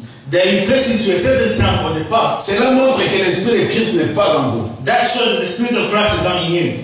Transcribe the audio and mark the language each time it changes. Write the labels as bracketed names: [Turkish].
[English] That you place it to a certain time or the past. [French] Cela montre que l'esprit de Christ n'est pas en vous. [English] That shows that the spirit of Christ is not in you.